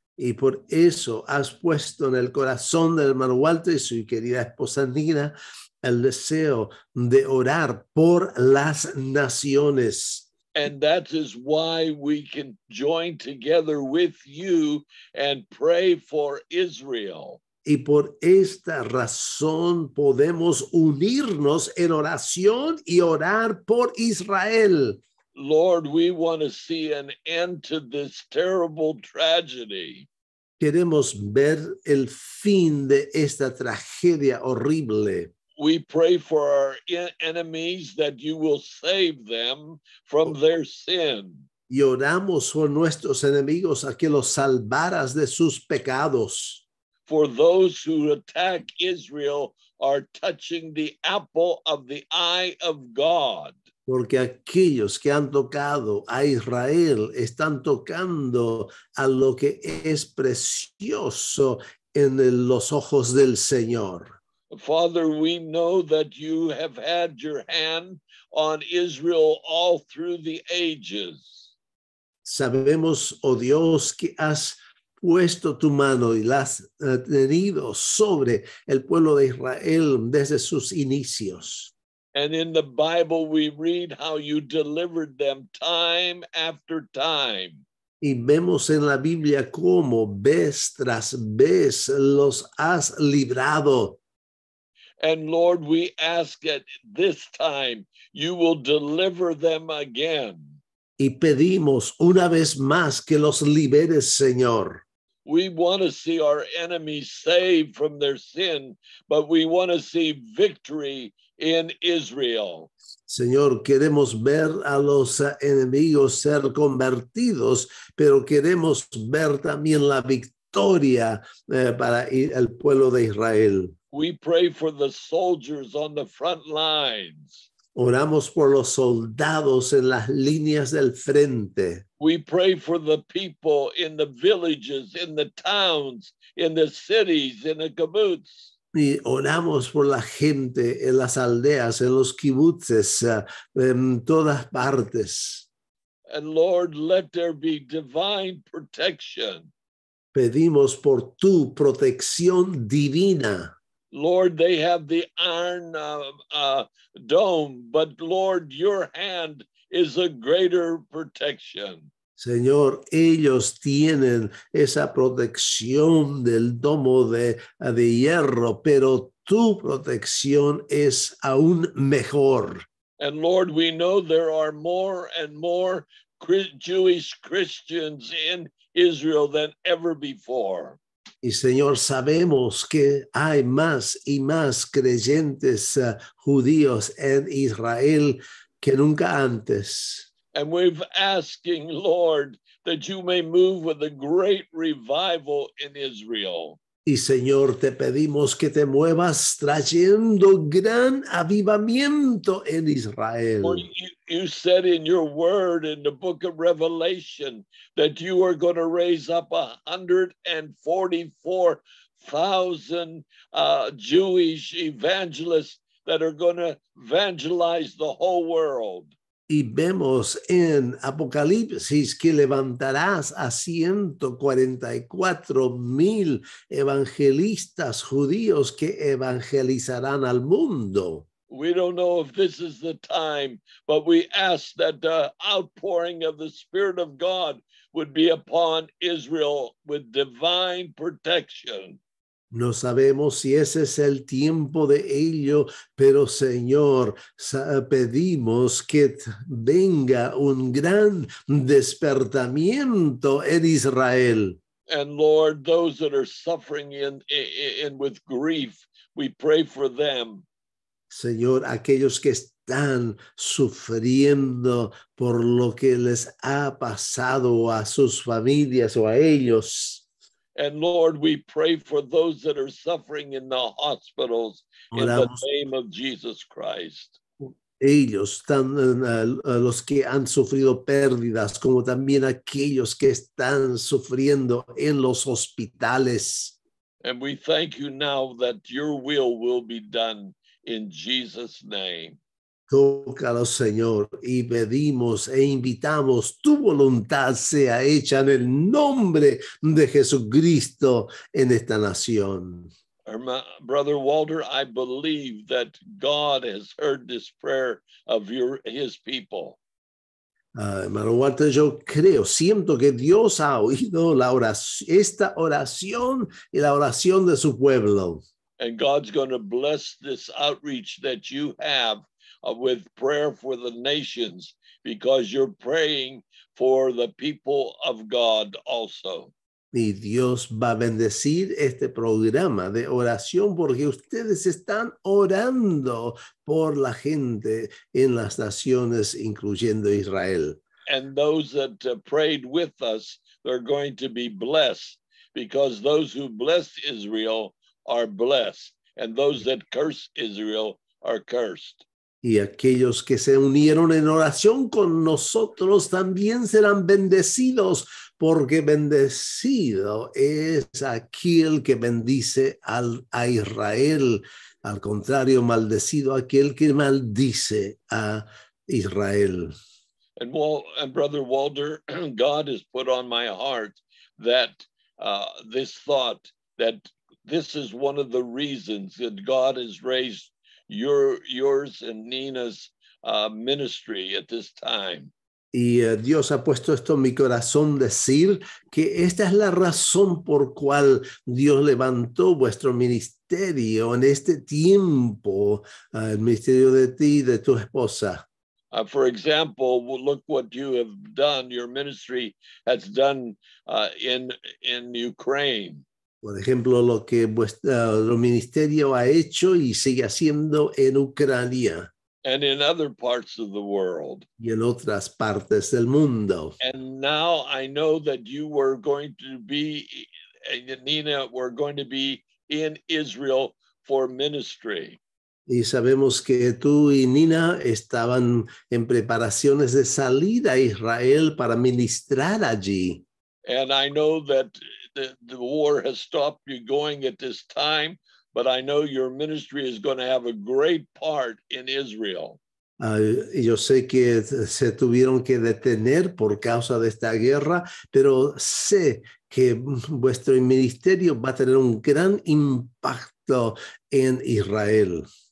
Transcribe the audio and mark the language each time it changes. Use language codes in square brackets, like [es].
[es] Y por eso has puesto en el corazón del hermano Walter y su querida esposa Nina el deseo de orar por las naciones. [en] And that is why we can join together with you and pray for Israel. [es] Y por esta razón podemos unirnos en oración y orar por Israel. [en] Lord, we want to see an end to this terrible tragedy. [es] Queremos ver el fin de esta tragedia horrible. [en] We pray for our enemies that you will save them from their sin. [es] Y oramos por nuestros enemigos a que los salvaras de sus pecados. [en] For those who attack Israel are touching the apple of the eye of God. [es] Porque aquellos que han tocado a Israel están tocando a lo que es precioso en los ojos del Señor. [en] Father, we know that you have had your hand on Israel all through the ages. [es] Sabemos, oh Dios, que has puesto tu mano y la has tenido sobre el pueblo de Israel desde sus inicios. [en] And in the Bible, we read how you delivered them time after time. [es] Y vemos en la Biblia cómo vez tras vez los has librado. [en] And Lord, we ask that this time you will deliver them again. [es] Y pedimos una vez más que los liberes, Señor. [en] We want to see our enemies saved from their sin, but we want to see victory in Israel. [es] Señor, queremos ver a los enemigos ser convertidos, pero queremos ver también la victoria para el pueblo de Israel. [en] We pray for the soldiers on the front lines. [es] Oramos por los soldados en las líneas del frente. [en] We pray for the people in the villages, in the towns, in the cities, in the kibbutz. [es] Y oramos por la gente en las aldeas, en los kibbutzes, en todas partes. [en] And Lord, let there be divine protection. [es] Pedimos por tu protección divina. [en] Lord, they have the iron dome, but Lord, your hand is a greater protection. [es] Señor, ellos tienen esa protección del domo de hierro, pero tu protección es aún mejor. [en] And Lord, we know there are more and more Jewish Christians in Israel than ever before. [es] Y Señor, sabemos que hay más y más creyentes judíos en Israel que nunca antes. [en] And we're asking, Lord, that you may move with a great revival in Israel. [es] Y Señor, te pedimos que te muevas trayendo gran avivamiento en Israel. [en] For you said in your word in the book of Revelation that you are going to raise up 144,000 Jewish evangelists that are going to evangelize the whole world. [es] Y vemos en Apocalipsis que levantarás a 144,000 evangelistas judíos que evangelizarán al mundo. [en] We don't know if this is the time, but we ask that the outpouring of the Spirit of God would be upon Israel with divine protection. [es] No sabemos si ese es el tiempo de ello, pero Señor, pedimos que venga un gran despertamiento en Israel. [en] And Lord, those that are suffering in with grief, we pray for them. [es] Señor, aquellos que están sufriendo por lo que les ha pasado a sus familias o a ellos. [en] And Lord, we pray for those that are suffering in the hospitals in the name of Jesus Christ. [es] Ellos, los que han sufrido pérdidas, como también aquellos que están sufriendo en los hospitales. [en] And we thank you now that your will be done in Jesus' name. [es] Tócalo, Señor, y pedimos e invitamos tu voluntad sea hecha en el nombre de Jesucristo en esta nación. [en] Brother Walter, I believe that God has heard this prayer of his people. [es] Hermano Walter, yo creo, siento que Dios ha oído esta oración y la oración de su pueblo. [en] And God's going to bless this outreach that you have with prayer for the nations, because you're praying for the people of God also. [es] Y Dios va a bendecir este programa de oración porque ustedes están orando por la gente en las naciones, incluyendo Israel. [en] And those that prayed with us, they're going to be blessed, because those who bless Israel are blessed, and those that curse Israel are cursed. [es] Y aquellos que se unieron en oración con nosotros también serán bendecidos, porque bendecido es aquel que bendice a Israel. Al contrario, maldecido aquel que maldice a Israel. [en] And Brother Walter, God has put on my heart that this thought, that this is one of the reasons that God has raised yours and Nina's ministry at this time. [es] Y Dios ha puesto esto en mi corazón, decir que esta es la razón por cual Dios levantó vuestro ministerio en este tiempo, el ministerio de ti y de tu esposa. [en] For example, look what you have done, your ministry has done in Ukraine. [es] Por ejemplo, lo que vuestro ministerio ha hecho y sigue haciendo en Ucrania. [en] And in other parts of the world. [es] Y en otras partes del mundo. [en] And now I know that you were going to be, Nina, were going to be in Israel for ministry. [es] Y sabemos que tú y Nina estaban en preparaciones de salir a Israel para ministrar allí. [en] And I know that the war has stopped you going at this time, but I know your ministry is going to have a great part in Israel. [es] Yo sé que se tuvieron que detener por causa de esta guerra, pero sé que vuestro ministerio va a tener un gran impacto en Israel.